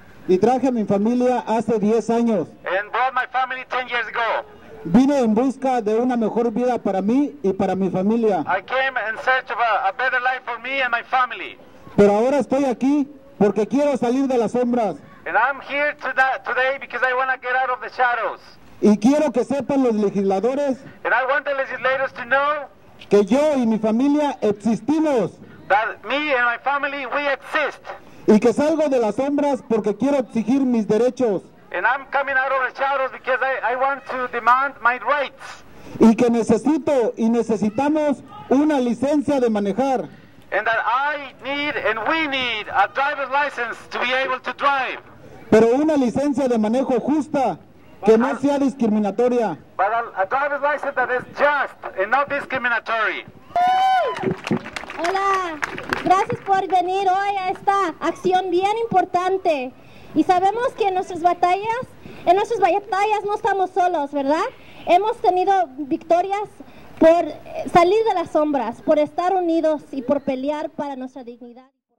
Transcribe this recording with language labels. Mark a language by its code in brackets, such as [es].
[es] Y traje a mi familia hace 10 años. [en] And brought my family 10 years ago. [es] Vine en busca de una mejor vida para mí y para mi familia. [en] I came in search of a better life for me and my family. [es] Pero ahora estoy aquí porque quiero salir de las sombras. [en] And I'm here today because I want to get out of the shadows. [es] Y quiero que sepan los legisladores. [en] And I want the legislators to know. [es] Que yo y mi familia existimos. [en] That me and my family, we exist. [es] Y que salgo de las sombras porque quiero exigir mis derechos. [en] And I'm coming out of the shadows because I want to demand my rights. [es] Y que necesito y necesitamos una licencia de manejar. [en] And that I need and we need a driver's license to be able to drive. [es] Pero una licencia de manejo justa, que no sea discriminatoria. [en] But a driver's license that is just and not discriminatory. [es] Hola, gracias por venir hoy a esta acción bien importante. Y sabemos que en nuestras batallas no estamos solos, ¿verdad? Hemos tenido victorias por salir de las sombras, por estar unidos y por pelear para nuestra dignidad.